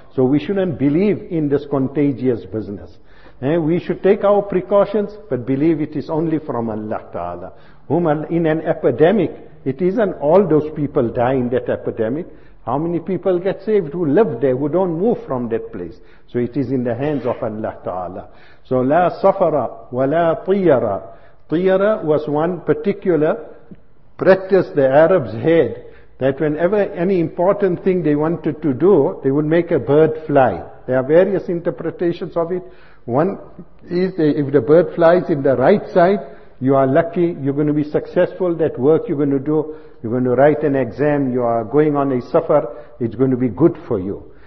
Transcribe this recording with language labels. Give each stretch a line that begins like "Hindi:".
English: So we shouldn't believe in this contagious business. We should take our precautions, but believe it is only from Allah Ta'ala. Whom in an epidemic, it isn't all those people die in that epidemic. How many people get saved who live there, who don't move from that place? So it is in the hands of Allah Ta'ala. So
Arabic: لا صفر ولا طيرة.
English: طيرة was one particular practice the Arabs had, that whenever any important thing they wanted to do, they would make a bird fly. There are various interpretations of it. One is, if the bird flies in the right side, you are lucky, you're going to be successful, that work you're going to do, you're going to write an exam, you are going on a safar, it's going to be good for you.